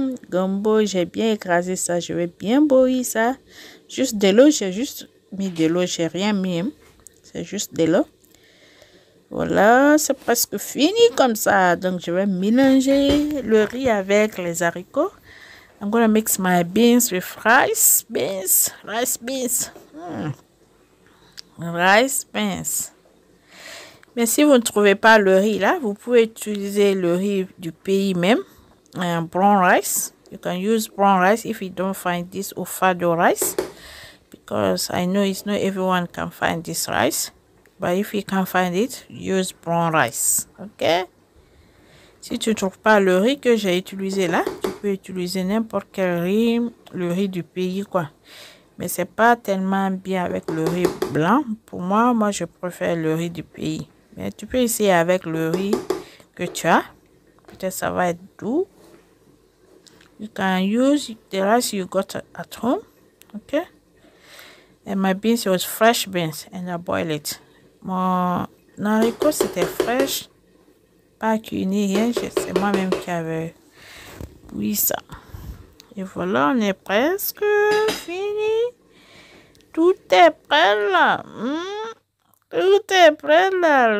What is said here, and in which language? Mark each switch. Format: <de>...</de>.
<fr>Gombo, j'ai bien écrasé ça. Je vais bien bouillir ça. Juste de l'eau, j'ai juste mis de l'eau. J'ai rien mis. C'est juste de l'eau. Voilà, c'est presque fini comme ça. Donc, je vais mélanger le riz avec les haricots.</fr> <en>I'm going to mix my beans with rice beans. Rice beans. Rice beans.</en> <fr>Mais si vous ne trouvez pas le riz là, vous pouvez utiliser le riz du pays même.</fr> <en>Brown rice. You can use brown rice if you don't find this or fado rice. Because I know it's not everyone can find this rice. But if you can't find it, use brown rice. Ok?</en> <fr>Si tu ne trouves pas le riz que j'ai utilisé là, tu peux utiliser n'importe quel riz, le riz du pays quoi. Mais c'est pas tellement bien avec le riz blanc. Pour moi, je préfère le riz du pays. Mais tu peux essayer avec le riz que tu as. Peut-être ça va être doux.</fr> <en>You can use the rice you got at home. Ok? And my beans was fresh beans. And I boil it.</en> <fr>Mon haricot, c'était fraîche, pas cuit ni rien. C'est moi-même qui avais bouilli ça. Et voilà, on est presque fini. Tout est prêt là. Tout est prêt là.</fr>